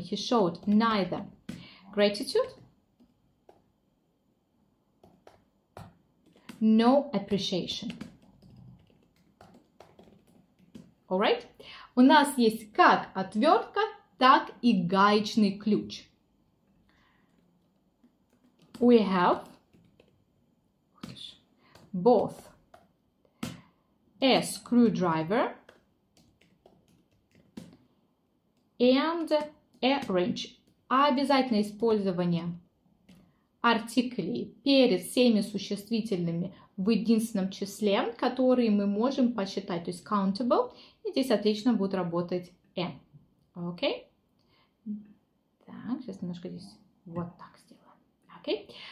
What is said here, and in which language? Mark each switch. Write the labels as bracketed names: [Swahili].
[English] He showed neither gratitude no appreciation. Alright? [Russian] У нас есть как отвертка, так и гаечный ключ. [English] We have both a screwdriver and a wrench. [Russian] Обязательное использование артиклей перед всеми существительными в единственном числе, которые мы можем посчитать, то есть countable, и здесь отлично будет работать M. Окей? Так, сейчас немножко здесь вот так сделаем. Окей?